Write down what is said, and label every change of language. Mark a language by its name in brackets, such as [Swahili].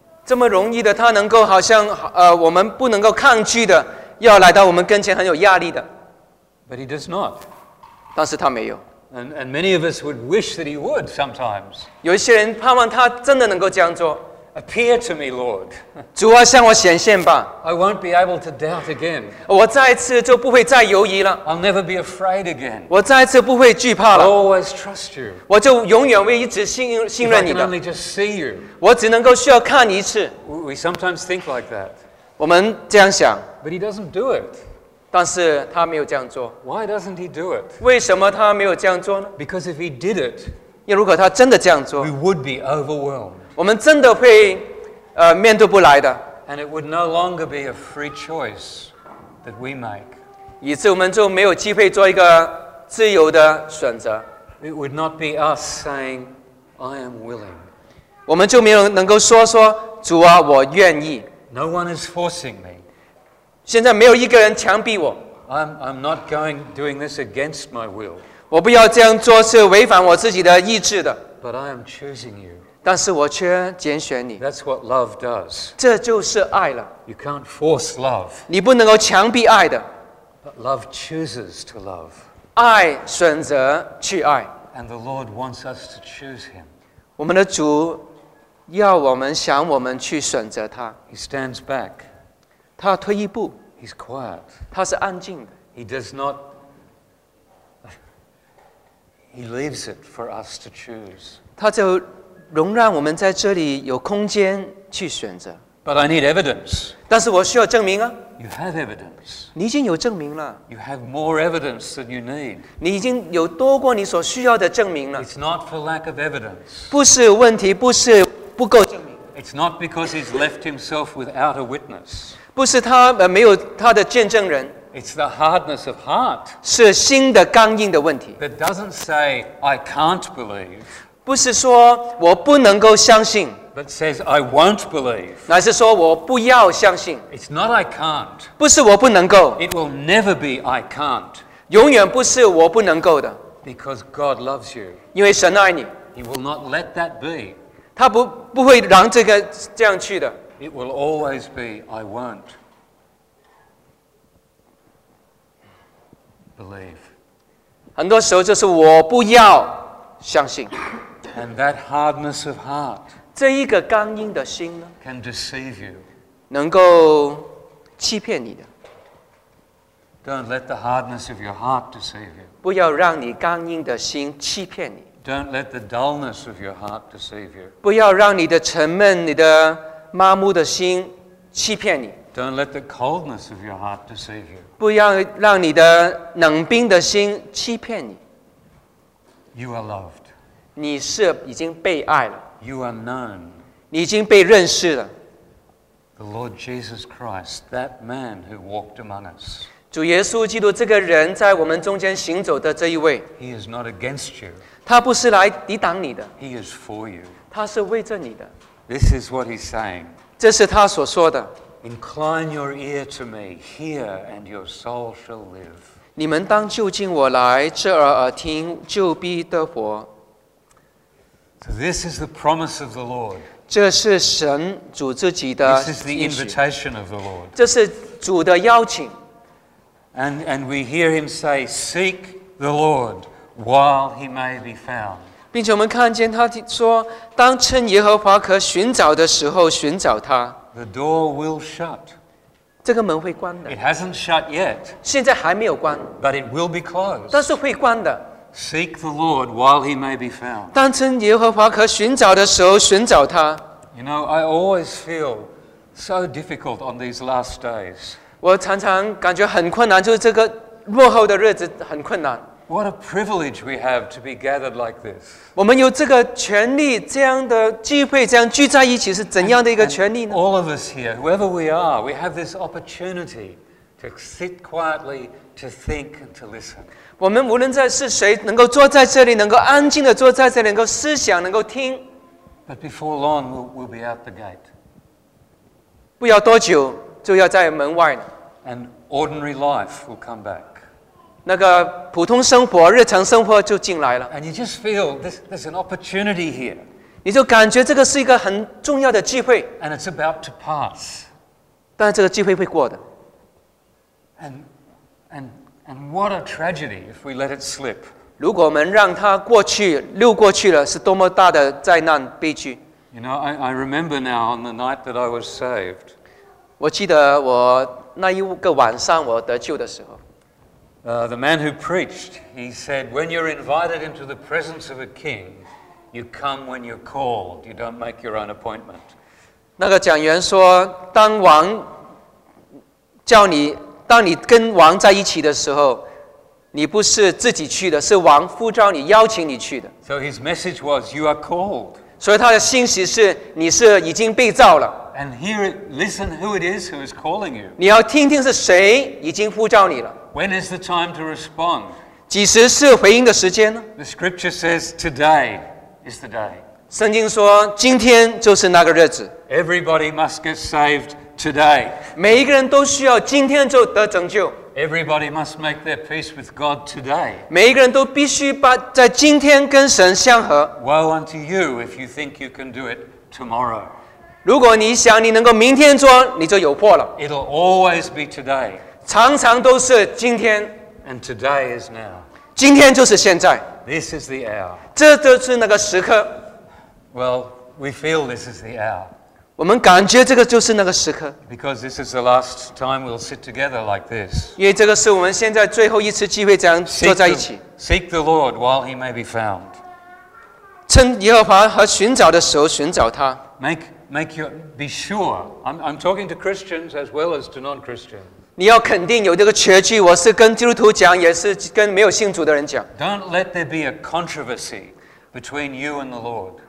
[Chinese] 这么容易的，他能够好像我们不能够抗拒的，要来到我们跟前，很有压力的。 [English] But he does not. [Chinese] 但是他没有。 [English] And many of us would wish that he would sometimes. [Chinese] 有一些人盼望他真的能够这样做。 [English] Appear to me, Lord. [Chinese] 主啊，向我显现吧。 [English] I won't be able to doubt again. [Chinese] 我再一次就不会再犹疑了。 [English] I'll never be afraid again. [Chinese] 我再一次不会惧怕了。 [English] Always trust you. [Chinese] 我就永远会一直信任你的。 [English] If I can only just see you. [Chinese] 我只能够需要看你一次。 [English] We sometimes think like that. [Chinese] 我们这样想。 [English] But he doesn't do it. [Chinese] 但是他没有这样做。 [English] Why doesn't he do it? [Chinese] 为什么他没有这样做呢？ [English] Because if he did it, [Chinese] 如果他真的这样做， [English] we would be overwhelmed. [Chinese] 我们真的会面对不来的。 [English] And it would no longer be a free choice that we make. [Chinese] 以致我们就没有机会做一个自由的选择。 [English] It would not be us saying, I am willing. [Chinese] 我们就没有能够说主啊，我愿意。 [English] No one is forcing me. [Chinese] 现在没有一个人强逼我。 [English] I'm not going doing this against my will. [Chinese] 我不要这样做是违反我自己的意志的。 [English] But I am choosing you. [Chinese] 但是我却拣选你。 [English] That's what love does. [Chinese] 这就是爱了。 [English] You can't force love. [Chinese] 你不能够强逼爱的。 [English] But love chooses to love. [Chinese] 爱选择去爱。 [English] And the Lord wants us to choose him. [Chinese] 我们的主要我们想我们去选择他。 [English] He stands back. [Chinese] 他退一步。 [English] He's quiet. [Chinese] 他是安静的。 [English] He does not. He leaves it for us to choose. [Chinese] 他就容让我们在这里有空间去选择。 [English] But I need evidence. [Chinese] 但是我需要证明啊。 [English] You have evidence. [Chinese] 你已经有证明了。 [English] You have more evidence than you need. [Chinese] 你已经有多过你所需要的证明了。 [English] It's not for lack of evidence. [Chinese] 不是问题，不是不够证明。 [English] It's not because he's left himself without a witness. [Chinese] 不是他没有他的见证人。 [English] It's the hardness of heart. [Chinese] 是心的刚硬的问题。 [English] That doesn't say I can't believe. [Chinese] 不是说我不能够相信， [English] but says I won't believe. [Chinese] 乃是说我不要相信。 [English] It's not I can't. [Chinese] 不是我不能够。 [English] It will never be I can't. [Chinese] 永远不是我不能够的。 [English] Because God loves you. [Chinese] 因为神爱你。 [English] He will not let that be. [Chinese] 他不会让这个这样去的。 [English] It will always be I won't believe. [Chinese] 很多时候就是我不要相信。 [English] And that hardness of heart [Chinese] 这一个刚硬的心呢 [English] can deceive you. [Chinese] 能够欺骗你的。 [English] Don't let the hardness of your heart deceive you. [Chinese] 不要让你刚硬的心欺骗你。 [English] Don't let the dullness of your heart deceive you. [Chinese] 不要让你的沉闷、你的麻木的心欺骗你。 [English] Don't let the coldness of your heart deceive you. [Chinese] 不要让你的冷冰的心欺骗你。 [English] You are loved. [Chinese] 你是已经被爱了。 [English] You are known. [Chinese] 你已经被认识了。 [English] The Lord Jesus Christ, that man who walked among us. [Chinese] 主耶稣基督这个人在我们中间行走的这一位。 [English] He is not against you. [Chinese] 他不是来抵挡你的。 [English] He is for you. [Chinese] 他是为着你的。 [English] This is what he's saying. [Chinese] 这是他所说的。 [English] Incline your ear to me, hear, and your soul shall live. [Chinese] 你们当就近我来，侧耳而听，就必得活。 [English] So this is the promise of the Lord. [Chinese] 这是神主自己的应许。 [English] This is the invitation of the Lord. [Chinese] 这是主的邀请。 [English] And we hear him say, "Seek the Lord while he may be found." [Chinese] 并且我们看见他说，当趁耶和华可寻找的时候寻找他。 [English] The door will shut. [Chinese] 这个门会关的。 [English] It hasn't shut yet. [Chinese] 现在还没有关。 [English] But it will be closed. [Chinese] 但是会关的。 [English] Seek the Lord while he may be found. [Chinese] 当趁耶和华可寻找的时候寻找他。 [English] You know, I always feel so difficult on these last days. [Chinese] 我常常感觉很困难，就是这个末后的日子很困难。 [English] What a privilege we have to be gathered like this. [Chinese] 我们有这个权利，这样的机会，这样聚在一起，是怎样的一个权利呢？ [English] All of us here, whoever we are, we have this opportunity to sit quietly, to think and to listen. [Chinese] 我们无论在是谁，能够坐在这里，能够安静的坐在这里，能够思想，能够听。 [English] But before long, we'll be out the gate. [Chinese] 不要多久就要在门外。 [English] And ordinary life will come back. [Chinese] 那个普通生活、日常生活就进来了。 [English] And you just feel there's an opportunity here. [Chinese] 你就感觉这个是一个很重要的机会。 [English] And it's about to pass. [Chinese] 但这个机会会过的。 [English] And what a tragedy if we let it slip. [Chinese] 如果我们让它过去，溜过去了，是多么大的灾难悲剧。 [English] You know, I remember now on the night that I was saved. [Chinese] 我记得我那一个晚上我得救的时候。 [English] The man who preached, he said, when you're invited into the presence of a king,You come when you're called. You don't make your own appointment. [Chinese] 那个讲员说，当王叫你，当你跟王在一起的时候，你不是自己去的，是王呼召你，邀请你去的。 [English] So his message was, you are called. [Chinese] 所以他的信息是，你是已经被召了。 [English] And hear it, listen who it is who is calling you. [Chinese] 你要听听是谁已经呼召你了。 [English] When is the time to respond? [Chinese] 几时是回应的时间呢？ [English] The scripture says today. Is the day. [Chinese] 圣经说今天就是那个日子。 [English] Everybody must get saved today. [Chinese] 每一个人都需要今天就得拯救。 [English] Everybody must make their peace with God today. [Chinese] 每一个人都必须把在今天跟神相合。 [English] Woe unto you if you think you can do it tomorrow. [Chinese] 如果你想你能够明天做，你就有祸了。 [English] It'll always be today. [Chinese] 常常都是今天。 [English] And today is now. [Chinese] 今天就是现在。 [English] This is the hour. [Chinese] 这就是那个时刻。 [English] Well, we feel this is the hour. [Chinese] 我们感觉这个就是那个时刻。 [English] Because this is the last time we'll sit together like this. [Chinese] 因为这个是我们现在最后一次机会这样坐在一起。 [English] Seek the Lord while he may be found. [Chinese] 趁耶和华和寻找的时候寻找他。 [English] Be sure. I'm talking to Christians as well as to non-Christians. [Chinese] 你要肯定有这个确据，我是跟基督徒讲，也是跟没有信主的人讲。 [English] Don't let there be a controversy between you and the Lord.